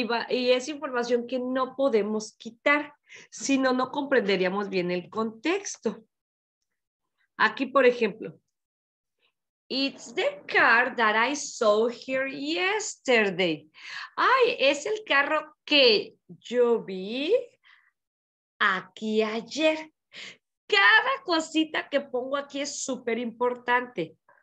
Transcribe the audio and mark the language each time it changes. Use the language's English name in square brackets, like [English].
[Spanish] Y es información que no podemos quitar, si no, no comprenderíamos bien el contexto. Aquí, por ejemplo, [English] it's the car that I saw here yesterday. [Spanish] Ay, es el carro que yo vi aquí ayer. Cada cosita que pongo aquí es súper importante.